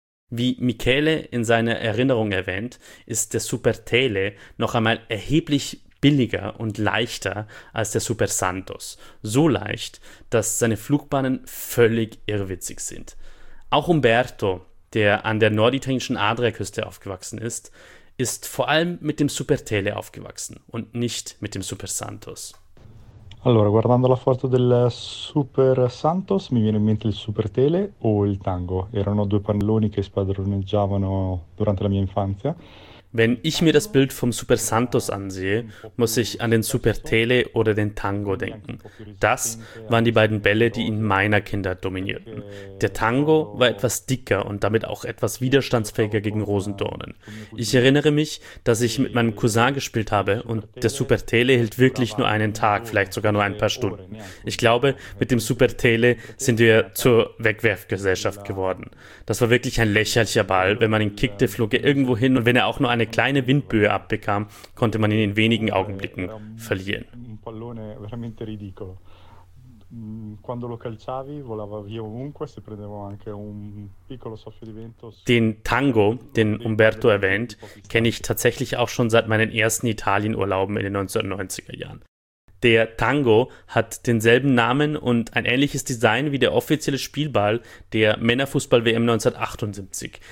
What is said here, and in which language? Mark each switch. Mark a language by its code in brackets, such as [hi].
[de] Wie Michele in seiner Erinnerung erwähnt, ist der Super Tele noch einmal erheblich billiger und leichter als der Super Santos. So leicht, dass seine Flugbahnen völlig irrwitzig sind. Auch Umberto, der an der norditalienischen Adriaküste aufgewachsen ist vor allem mit dem Supertele aufgewachsen und nicht mit dem Supersantos. [it] Allora, guardando la foto del Super Santos, mi viene in mente il Supertele o il Tango. Erano due palloni che spadroneggiavano durante la mia infanzia. [de] Wenn ich mir das Bild vom Super Santos ansehe, muss ich an den Super Tele oder den Tango denken. Das waren die beiden Bälle, die in meiner Kindheit dominierten. Der Tango war etwas dicker und damit auch etwas widerstandsfähiger gegen Rosendornen. Ich erinnere mich, dass ich mit meinem Cousin gespielt habe und der Super Tele hält wirklich nur einen Tag, vielleicht sogar nur ein paar Stunden. Ich glaube, mit dem Super Tele sind wir zur Wegwerfgesellschaft geworden. Das war wirklich ein lächerlicher Ball. Wenn man ihn kickte, flog er irgendwo hin und wenn er auch nur eine kleine Windböe abbekam, konnte man ihn in wenigen Augenblicken verlieren. [it] Pallone veramente ridicolo. Quando lo calciavi, volava via ovunque, se prendeva anche un piccolo soffio di vento. [de] Den Tango, den Umberto erwähnt, kenne ich tatsächlich auch schon seit meinen ersten Italienurlauben in den 1990er Jahren. Der Tango hat denselben Namen und ein ähnliches Design wie der offizielle Spielball der Männerfußball-WM 1978.